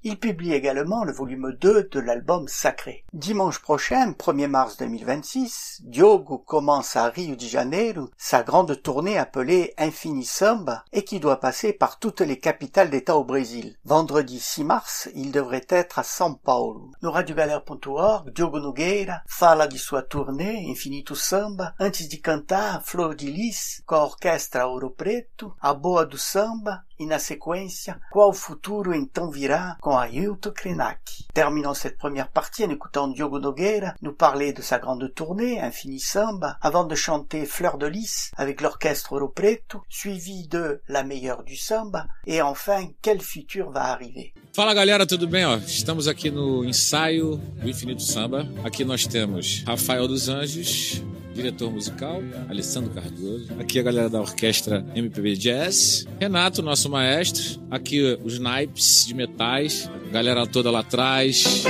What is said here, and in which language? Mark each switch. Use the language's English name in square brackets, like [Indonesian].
[French] Il publie également le volume 2 de l'album Sacré. Dimanche prochain, 1er mars 2026, Diogo commence à Rio de Janeiro sa grande tournée appelée Infini Samba et qui doit passer par toutes les capitales d'État au Brésil. Vendredi 6 mars, il devrait être à São Paulo. [Portuguese] No radiogalera.org, Diogo Nogueira fala de sua turnê Infinito Samba, antes de cantar Flor de Lis com a Orquestra Ouro Preto, A Boa do Samba e, na sequência, Qual Futuro Então Virá com Ailton Krenak. [French] Terminons cette première partie en écoutant Diogo Nogueira nous parler de sa grande tournée Infini Samba avant de chanter Flor de Lis avec l'Orquestra Ouro Preto, suivi de La Meilleure du Samba et enfin Quel Futur Va Arriver. [Portuguese] Fala galera, tudo bem? Ó, estamos aqui no ensaio do Infinito Samba. Aqui nós temos Rafael dos Anjos, diretor musical, Alessandro Cardoso. Aqui a galera da orquestra MPB Jazz. Renato, nosso maestro. Aqui os naipes de metais. Galera toda lá atrás.